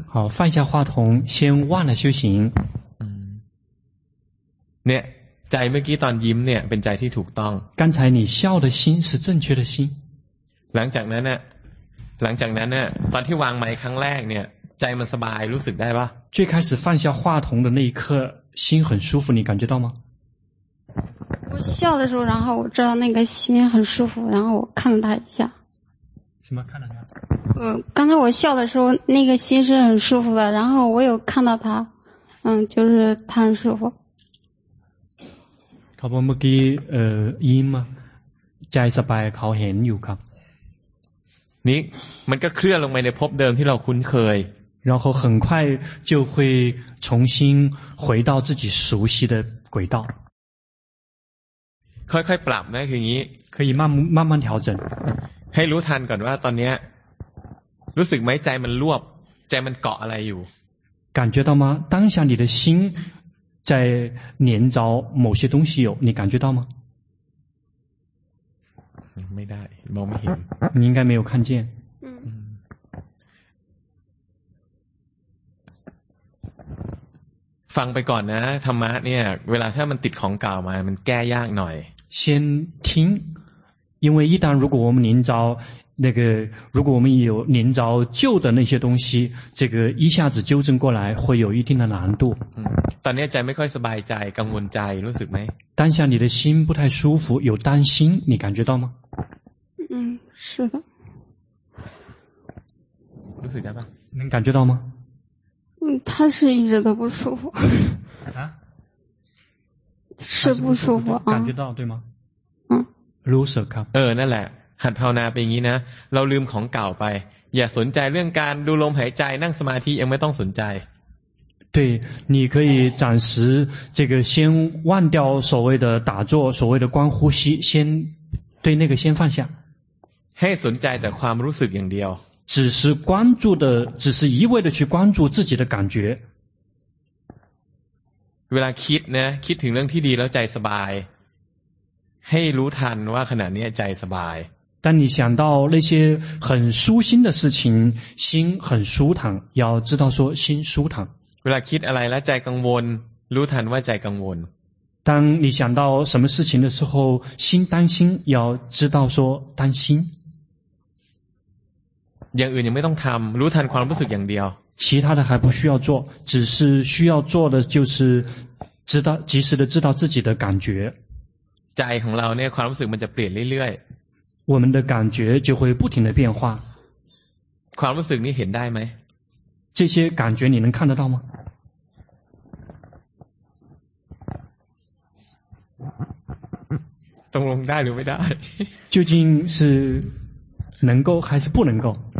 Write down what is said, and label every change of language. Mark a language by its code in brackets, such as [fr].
[zh] 好放下话筒先忘了修行 [th] เนี่ยใจเมื่อกี้ตอนยิ้มเนี่ยเป็นใจที่ถูกต้อง [zh] 刚才你笑的心是正确的心 [th] หลังจากนั้นน่ะหลังจากนั้นน่ะตอนที่วางไมค์ครั้งแรกเนี่ยใจมันสบายรู้สึกได้ป่ะ [zh] 最开始放下话筒的那一刻心很舒服你感觉到吗我笑的时候然后我知道那个心很舒服然后我看了他一下什么看了他刚才我笑的时候那个心是很舒服的然后我有看到他就是他很舒服他不没给音吗 [th] ใจสบายเขาเห็นอยู่ครับ นี่มันก็เคลื่อนลงไปในภพเดิมที่เราคุ้นเคย [zh] 然后很快就会重新回到自己熟悉的轨道 [th] ค่อยๆปรับนะคืออย่างนี้ [zh] 可以慢慢调整 [th] ให้รู้ทันก่อนว่าตอนนี้รู้สึกไหมใจมันรวบใจมันเกาะอะไรอยู่ [zh] 感觉到吗当下你的心在黏着某些东西有你感觉到吗 [th] ไม่ได้มองไม่เห็น [zh] 你应该没有看见 [th] ฟังไปก่อนนะธรรมะเนี่ยเวลาถ้ามันติดของเก่ามามันแก้ยากหน่อย [zh] 先听因为一旦如果我们黏着那个如果我们有黏着旧的那些东西这个一下子纠正过来会有一定的难度 [th] ตอนนี้ใจไม่ค่อยสบายใจกังวลใจรู้สึกไหม [zh] 当下你的心不太舒服有担心你感觉到吗是的 [th] รู้สึกได้ป่ะ [zh] 能感觉到吗他是一直都不舒服啊是不舒服啊感觉到对吗 [th] รู้สึกครับ นั่นแหละหัดภาวนาเป็นอย่างนี้นะเราลืมของเก่าไปอย่าสนใจเรื่องการดูลมหายใจนั่งสมาธิยังไม่ต้องสนใจ [zh] 对你可以暂时这个先忘掉所谓的打坐所谓的观呼吸先对那个先放下 [th] ให้สนใจแต่ความรู้สึกอย่างเดียว [zh] 只是关注的只是一味的去关注自己的感觉 [th] เวลาคิดนะคิดถึงเรื่องที่ดีแล้วใจสบายให้รู้ทันว่าขณะนี้ใจสบาย [zh] 当你想到那些很舒心的事情心很舒坦要知道说心舒坦 [th] เวลาคิดอะไรแล้วใจกังวลรู้ทันว่าใจกังวล [zh] 当你想到什么事情的时候心担心要知道说担心 [th] อย่างอื่นยังไม่ต้องทำรู้ทันความรู้สึกอย่างเดียว [zh] 其他的还不需要做只是需要做的就是知道及时的知道自己的感觉 [th] ใจของเราเนี่ยความรู้สึกมันจะเปลี่ยนเรื่อย [zh] ๆ我们的感觉就会不停的变化 [th] ความรู้สึกนี้เห็นได้ไหม [zh] 这些感觉你能看得到吗 [th] ตรงลงได้หรือไม่ได้ [zh] 究竟是能够还是不能够